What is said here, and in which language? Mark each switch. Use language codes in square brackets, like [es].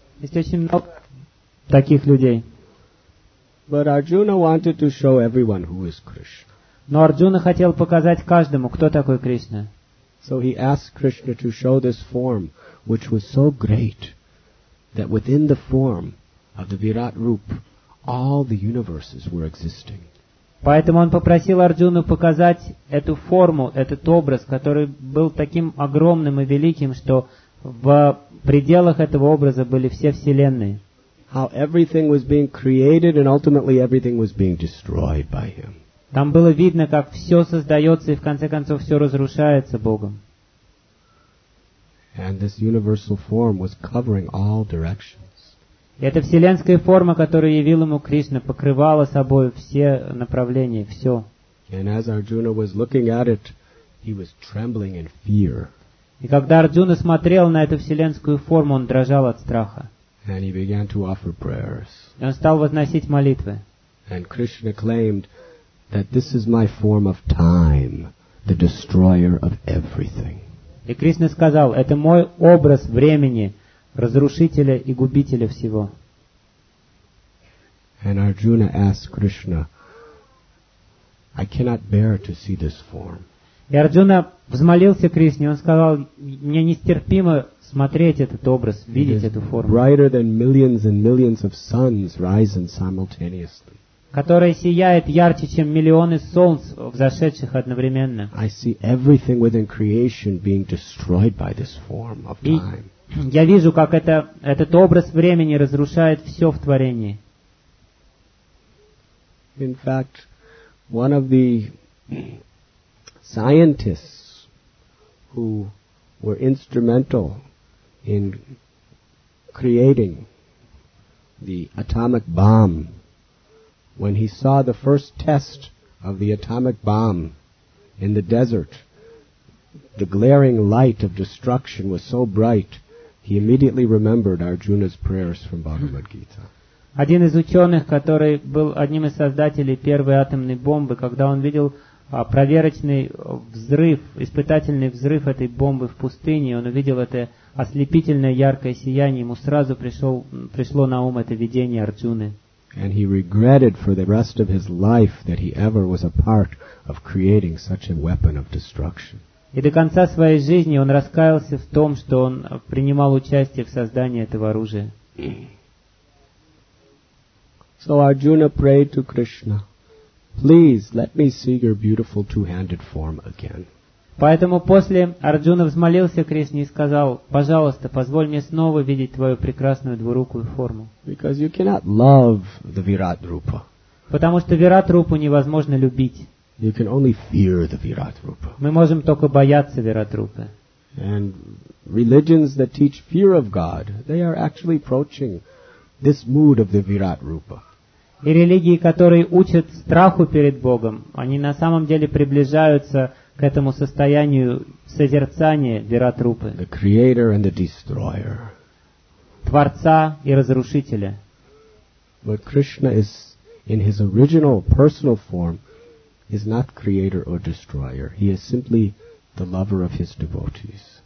[ru] Есть очень много таких людей. [en] But Arjuna wanted to show everyone who is Krishna. [ru] Но Арджуна хотел показать каждому, кто такой Кришна. [en] So he asked Krishna to show this form, which was so great that within the form of the Virat Rup, all the universes were existing. [ru] Поэтому он попросил Арджуну показать эту форму, этот образ, который был таким огромным и великим, что в пределах этого образа были все вселенные. [en] How everything was being created and ultimately everything was being destroyed by him. [ru] Там было видно, как все создается и в конце концов все разрушается Богом. [en] And this universal form was covering all directions. [ru] И эта вселенская форма, которую явил ему Кришна, покрывала собой все направления, все. [en] And as Arjuna was looking at it, he was trembling in fear. [ru] И когда Арджуна смотрел на эту вселенскую форму, он дрожал от страха. [en] And he began to offer prayers. [ru] И он стал возносить молитвы. [en] And Krishna claimed that this is my form of time, the destroyer of everything. [ru] И Кришна сказал, это мой образ времени, разрушителя и губителя всего. [en] And Arjuna asked Krishna, I cannot bear to see this form. [ru] И Арджуна взмолился Кришне, он сказал, мне нестерпимо смотреть этот образ, видеть эту форму. [en] Brighter than millions and millions of suns rising simultaneously. [ru] Которая сияет ярче, чем миллионы солнц, взошедших одновременно. [en] I see everything within creation being destroyed by this form of time. [ru] Я вижу, как этот образ времени разрушает все в творении. [en] In fact, one of the scientists who were instrumental in creating the atomic bomb, when he saw the first test of the atomic bomb in the desert, the glaring light of destruction was so bright, he immediately remembered Arjuna's prayers from Bhagavad Gita. [ru] Один из ученых, который был одним из создателей первой атомной бомбы, когда он видел проверочный взрыв, испытательный взрыв этой бомбы в пустыне, он увидел это ослепительное яркое сияние, ему сразу пришло на ум это видение Арджуны. [en] And he regretted for the rest of his life that he ever was a part of creating such a weapon of destruction. [ru] И до конца своей жизни он раскаялся в том, что он принимал участие в создании этого оружия. [en] So Arjuna prayed to Krishna, please let me see your beautiful two-handed form again. [ru] Поэтому после Арджуна взмолился Кришне и сказал, пожалуйста, позволь мне снова видеть твою прекрасную двурукую форму. [en] Because you cannot love the Virat Rupa. [ru] Потому что Virat Rupa невозможно любить. [en] You can only fear the Virat Rupa. [ru] Мы можем только бояться Virat Rupa. [en] And religions that teach fear of God, they are actually approaching this mood of the Virat Rupa. [ru] И религии, которые учат страху перед Богом, они на самом деле приближаются к этому состоянию созерцания Virat Rupa. [en] The creator and the destroyer. [ru] Творца и разрушителя. [en] But Krishna is in his original personal form is not creator or destroyer. He is simply the lover of his devotees.